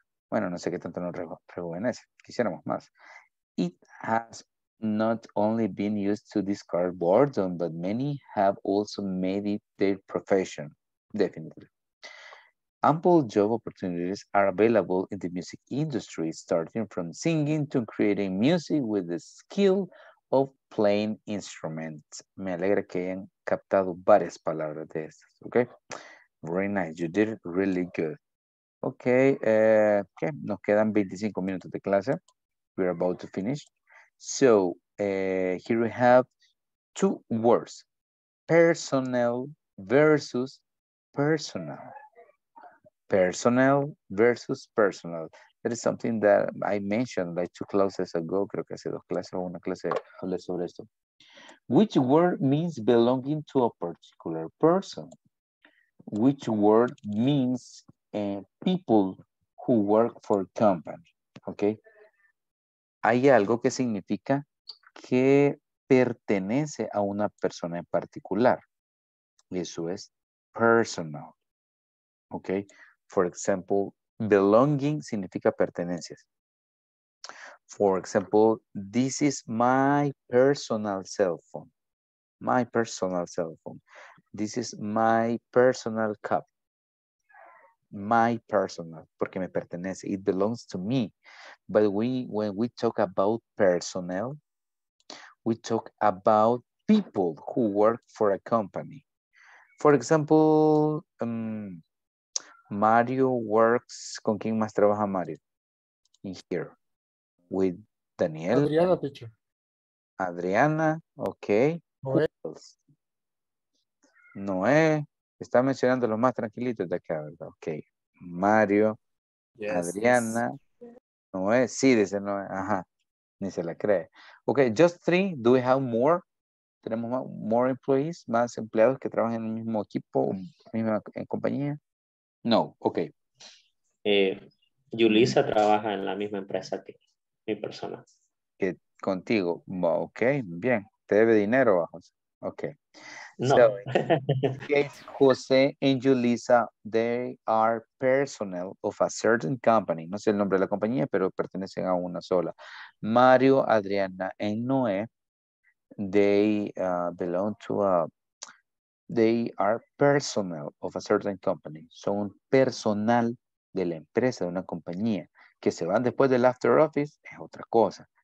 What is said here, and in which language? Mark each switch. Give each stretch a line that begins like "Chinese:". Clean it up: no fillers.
Spanish: Bueno, no sé qué tanto nos rejuvenece, quisiéramos más.
English: It has not only been used to discard boredom, but many have also made it their profession. Definitely. Ample job opportunities are available in the music industry, starting from singing to creating music with the skill of playing instruments.
Spanish: Me alegra que hayan captado varias palabras de estas, okay?
English: Very nice, you did really good. Okay, okay.
Spanish: Nos quedan 25 minutos de clase.
English: We're about to finish. So, here we have two words. Personnel versus personal. Personnel versus personal. That is something that I mentioned like two classes ago.
Spanish: Creo que hace dos clases o una clase hablé sobre esto.
English: Which word means belonging to a particular person? Which word means people who work for a company? Okay.
Spanish: Hay algo que significa que pertenece a una persona en particular. Eso es personal. Okay.
English: For example, belonging
Spanish: significa pertenencias.
English: For example, this is my personal cell phone. My personal cell phone. This is my personal cup. My personal,
Spanish: porque me pertenece.
English: It belongs to me. But when we talk about personnel, we talk about people who work for a company. For example, Mario works,
Spanish: ¿con quién más trabaja Mario?
English: In here. With Daniel. Adriana, teacher. Adriana, okay. Noé. Noé.
Spanish: Está mencionando los más tranquilitos de acá, ¿verdad?
English: Okay. Mario, yes, Adriana, yes. Noé.
Spanish: Sí, dice Noé. Ajá. Ni se la cree.
English: Okay, just three. Do we have more?
Spanish: ¿Tenemos
English: more employees?
Spanish: ¿Más empleados que trabajan en el mismo equipo, misma compañía? No, ok. Yulisa trabaja en la misma empresa que mi persona. Que contigo. Ok, bien. Te debe dinero, José. Ok.
English: No. So, José and Yulisa, they are personnel of a certain company.
Spanish: No sé el nombre de la compañía, pero pertenecen a una sola.
English: Mario, Adriana and Noé, they belong to a... They are personnel of a certain company.
Spanish: Son personal de la empresa, de una compañía. Que se van después del after office, es otra cosa.